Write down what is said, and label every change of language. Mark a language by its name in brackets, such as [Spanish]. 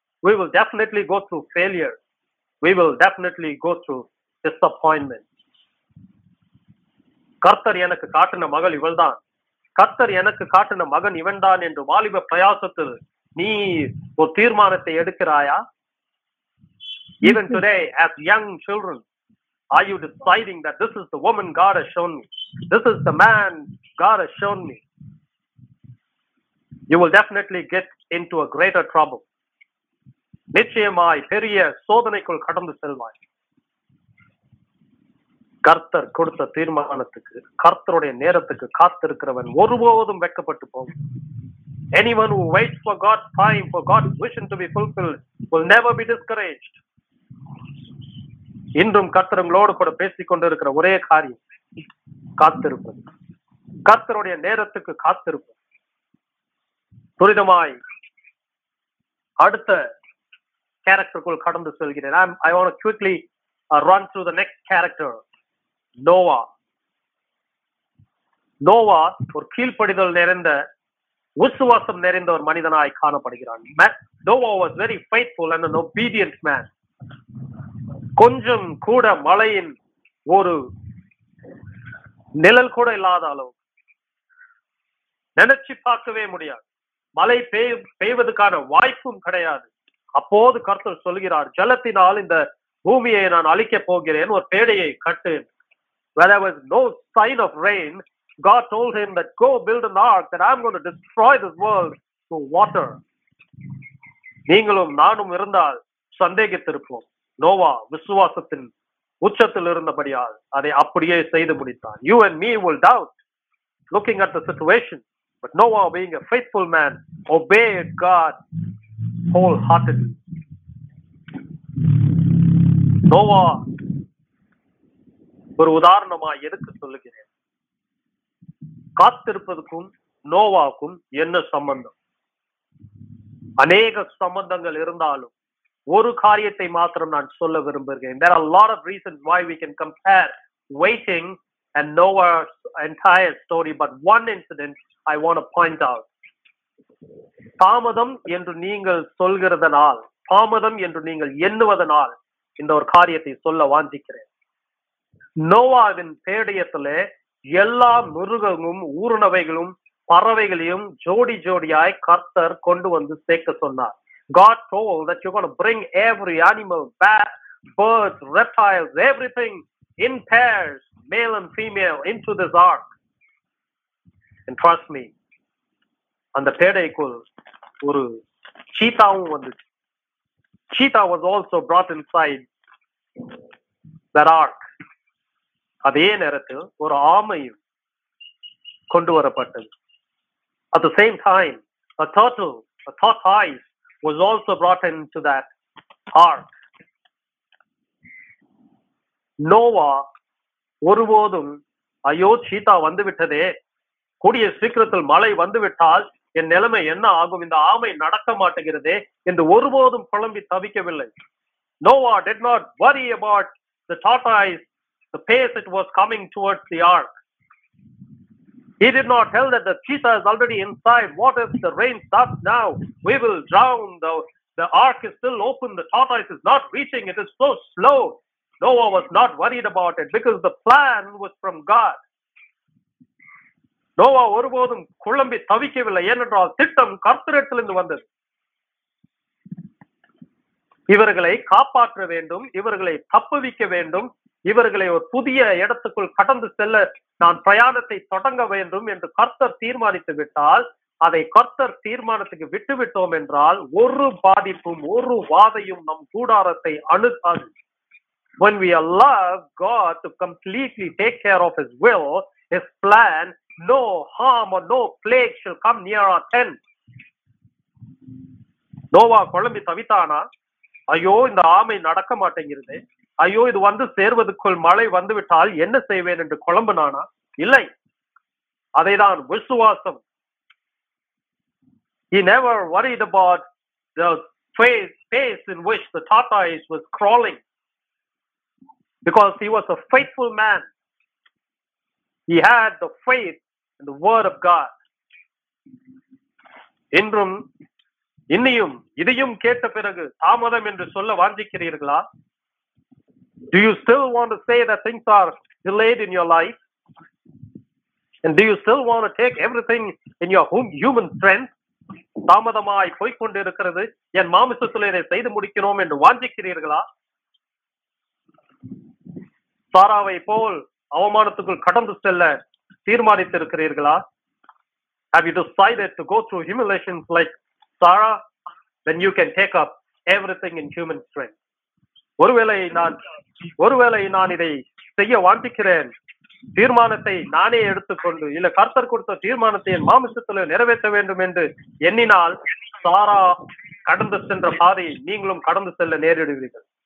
[English] We will definitely go through failure. We will definitely go through disappointment. [Tamil] கர்த்தர் எனக்கு காட்டின மகள் இவள்தான், கர்த்தர் எனக்கு காட்டின மகன் இவன் தான் என்று வாலிப பிரயாசத்தில் நீ ஒரு தீர்மானத்தை எடுக்கிறாயா? [English] Even today, as young children, are you deciding that this is the woman God has shown me? This is the man God has shown me? You will definitely get into a greater trouble. [Tamil] நிச்சயமாய் பெரிய சோதனைக்குள் கடந்து செல்வாய். கர்த்தர் கொடுத்த தீர்மானத்துக்கு கர்த்தருடைய நேரத்துக்கு காத்திருக்கிறவன் ஒருபோதும் வெட்கப்பட்டு போவான். [English] Anyone who waits for God's time, for God's vision to be fulfilled, will never be discouraged. [Tamil] இன்றும் கர்த்தர் உங்களோடு கூட பேசிக் கொண்டிருக்கிற ஒரே காரியம் காத்திருப்பது, கர்த்தருடைய நேரத்துக்கு காத்திருப்பது. துரிதமாய் அடுத்த கேரக்டருக்குள் கடந்து செல்கிறேன். [English] I want to quickly run through the next character. [Tamil] Noah ஒரு கீழ்ப்படிதல் நிறைந்த விசுவாசம் நிறைந்த ஒரு மனிதனாய் காணப்படுகிறான். கொஞ்சம் கூட மலையின் ஒரு நிழல் கூட இல்லாத அளவு நினைச்சு பார்க்கவே முடியாது, மழை பெய்வதற்கான வாய்ப்பும் கிடையாது. அப்போது கர்த்தர் சொல்கிறார், ஜலத்தினால் இந்த பூமியை நான் அழிக்கப் போகிறேன், ஒரு பேடையை கட்டு. [English] Where there was no sign of rain, God told him that go build an ark that I am going to destroy this world through water. [Tamil] நீங்களும் நானும் இருந்தால் சந்தேகித்திருப்போம். நோவா விசுவாசத்தின் உச்சத்தில் இருந்தபடியால் அதை அப்படியே செய்து முடித்தார். [English] You and me will doubt looking at the situation, but Noah, being a faithful man, obeyed God wholeheartedly. [Tamil] Noah ஒரு உதாரணமாய் எடுத்து சொல்லுகிறேன். காத்திருப்பதுக்கும் நோவாக்கும் என்ன சம்பந்தம்? அநேக சம்பந்தங்கள் இருந்தாலும் ஒரு காரியத்தை மாத்திரம் நான் சொல்ல விரும்புகிறேன். [English] There are a lot of reasons why we can compare waiting and Noah's entire story, but one incident I want to point out. [Tamil] தாமதம் என்று நீங்கள் சொல்கிறதனால் தாமதம் என்று நீங்கள் எண்ணுவதனால் இந்த ஒரு காரியத்தை சொல்ல வாஞ்சிக்கிறேன். நோவாவின் பேடயத்துல எல்லா மிருகமும் ஊரணவைகளும் பறவைகளையும் ஜோடி ஜோடியாய் கர்த்தர் கொண்டு வந்து சேர்க்க சொன்னார். [English] God told that you're going to bring every animal, bat, birds, reptiles, everything in pairs, male and female, into this ark. And trust me, on the third equal, one cheetah was also brought inside that ark. [Tamil] அதே நேரத்தில் ஒரு ஆமையும் கொண்டு வரப்பட்டது. [English] At the same time, a tortoise, was also brought into that ark. [Tamil] Noah ஒருபோதும் ஐயோ சீதா வந்துவிட்டதே, கூடிய சீக்கிரத்தில் மழை வந்துவிட்டால் என் நிலைமை என்ன ஆகும், இந்த ஆமை நடக்க மாட்டேங்கிறதே என்று ஒருபோதும் புலம்பி தவிக்கவில்லை. [English] Noah did not worry about the tortoise, the pace it was coming towards the ark. He did not tell that the cheetah is already inside. What if the rain stops now? We will drown. The ark is still open. The tortoise is not reaching. It is so slow. Noah was not worried about it because the plan was from God. [Tamil] Noah ஒருபோதும் குழம்பி தவிக்கவில்லை. ஏனென்றால் திட்டம் கர்த்தரிடத்திலிருந்து வந்தது. இவர்களை காப்பாற்ற வேண்டும், இவர்களை தப்புவிக்க வேண்டும், இவர்களை ஒரு புதிய இடத்துக்குள் கடந்து செல்ல நான் பிரயாணத்தை தொடங்க வேண்டும் என்று கர்த்தர் தீர்மானித்து விட்டால், அதை கர்த்தர் தீர்மானத்துக்கு விட்டுவிட்டோம் என்றால் ஒரு பாதிப்பும் ஒரு வாதையும் நம் கூடாரத்தை அணுகாது. [English] When we allow God to completely take care of His will, His plan, no harm or no plague shall come near our tent. [Tamil] Noah குழம்பி தவித்தானா? ஐயோ இந்த ஆமை நடக்க மாட்டேங்கிறது, ஐயோ இது வந்து சேர்வதுக்குள் மழை வந்துவிட்டால் என்ன செய்வேன் என்று குழம்புனானா? இல்லை, அதைதான் விசுவாசம். [English] He never worried about the pace in which the tortoise was crawling because he was a faithful man. He had the faith in the word of God. [Tamil] இன்றும் இன்னியும் இதையும் கேட்ட பிறகு தாமதம் என்று சொல்ல வாஞ்சிக்கிறீர்களா? [English] Do you still want to say that things are delayed in your life? And do you still want to take everything in your human strength? [Tamil] தாமதமாய் போய்கொண்டிருக்கிறது, என் மாமிசத்தில் இதை செய்து முடிக்கிறோம் என்று வாஞ்சிக்கிறீர்களா? சாராவை போல் அவமானத்துக்குள் கடந்து செல்ல தீர்மானித்து இருக்கிறீர்களா? [English] Have you decided to go through humiliations like Sarah? Then you can take up everything in human strength. [Tamil] ஒருவேளை நான் இதை செய்ய வாஞ்சிக்கிறேன், தீர்மானத்தை நானே எடுத்துக்கொண்டு இல்ல கர்த்தர் கொடுத்த தீர்மானத்தை என் மாமிசத்துல நிறைவேற்ற வேண்டும் என்று எண்ணினால் சாரா கடந்து சென்ற பாதை நீங்களும் கடந்து செல்ல நேரிடுவீர்கள்.